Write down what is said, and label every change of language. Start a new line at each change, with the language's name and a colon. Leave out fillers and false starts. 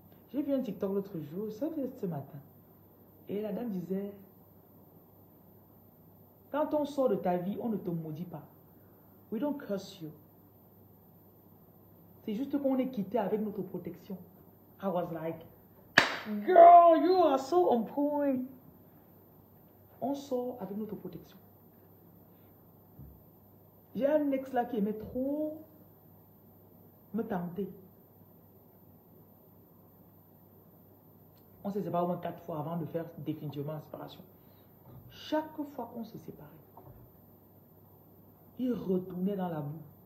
French: J'ai vu un TikTok l'autre jour, ça c'était ce matin. Et la dame disait, quand on sort de ta vie, on ne te maudit pas.
English: We don't curse you.
French: C'est juste qu'on est quitté avec notre protection.
English: I was like, girl, you are so on point.
French: On sort avec notre protection. J'ai un ex là qui aimait trop me tenter. On se sépare au moins 4 fois avant de faire définitivement la séparation. Chaque fois qu'on se séparait, il retournait dans la boue.